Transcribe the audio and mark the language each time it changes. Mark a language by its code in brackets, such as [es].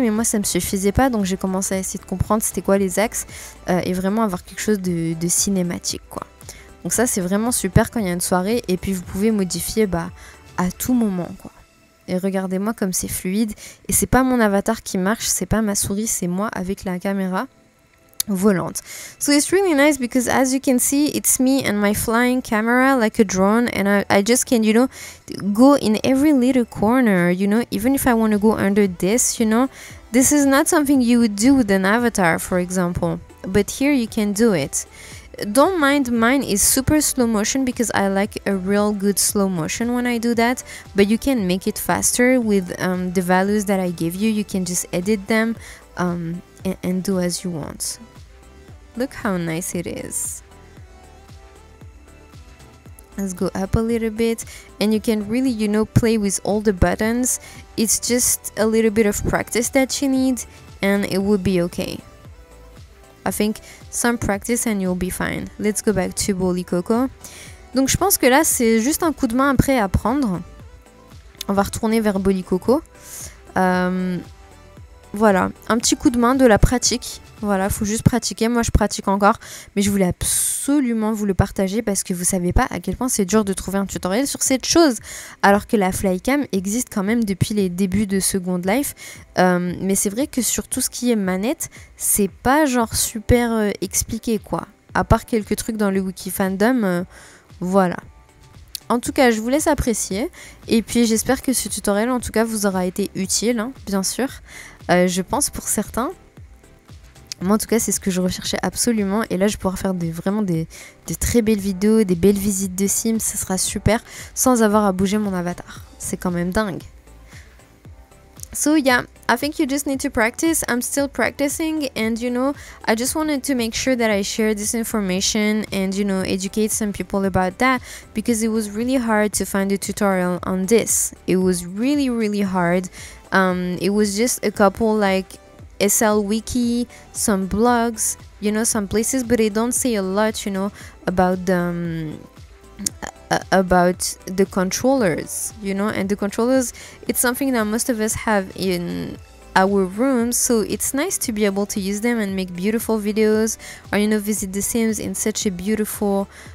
[fr] Mais moi, ça ne me suffisait pas. Donc j'ai commencé à essayer de comprendre c'était quoi les axes et vraiment avoir quelque chose de cinématique, quoi. Donc ça, c'est vraiment super quand il y a une soirée. Et puis, vous pouvez modifier à tout moment, quoi. Et regardez-moi comme c'est fluide. Et c'est pas mon avatar qui marche, c'est pas ma souris, c'est moi avec la caméra volante. [en] So it's really nice because as you can see, it's me and my flying camera like a drone. And I just can, you know, go in every little corner, you know. Even if I want to go under this, you know. This is not something you would do with an avatar, for example. But here you can do it. Don't mind, mine is super slow motion because I like a real good slow motion when I do that. But you can make it faster with the values that I give you. You can just edit them and do as you want. Look how nice it is. Let's go up a little bit. And you can really, you know, play with all the buttons. It's just a little bit of practice that you need and it will be okay. I think some practice and you'll be fine. Let's go back to Bully Coco. [fr] Donc je pense que là c'est juste un coup de main après à prendre. On va retourner vers Bully Coco. Voilà, un petit coup de main de la pratique. Voilà, faut juste pratiquer. Moi je pratique encore, mais je voulais absolument vous le partager parce que vous savez pas à quel point c'est dur de trouver un tutoriel sur cette chose. Alors que la Flycam existe quand même depuis les débuts de Second Life. Mais c'est vrai que sur tout ce qui est manette, c'est pas genre super expliqué quoi. À part quelques trucs dans le Wiki Fandom, voilà. En tout cas, je vous laisse apprécier. Et puis j'espère que ce tutoriel en tout cas vous aura été utile, hein, bien sûr. Je pense pour certains. Moi, en tout cas, c'est ce que je recherchais absolument. Et là, je pourrais faire vraiment des très belles vidéos, des belles visites de Sims. Ça sera super sans avoir à bouger mon avatar. C'est quand même dingue. [en] So, yeah, I think you just need to practice. I'm still practicing. And, you know, I just wanted to make sure that I share this information and, you know, educate some people about that. Because it was really hard to find a tutorial on this. It was really, really hard. It was just a couple, like, SL Wiki, some blogs, you know, some places, but they don't say a lot, you know, about the controllers, you know, and the controllers, it's something that most of us have in our rooms, so it's nice to be able to use them and make beautiful videos, or, you know, visit the Sims in such a beautiful,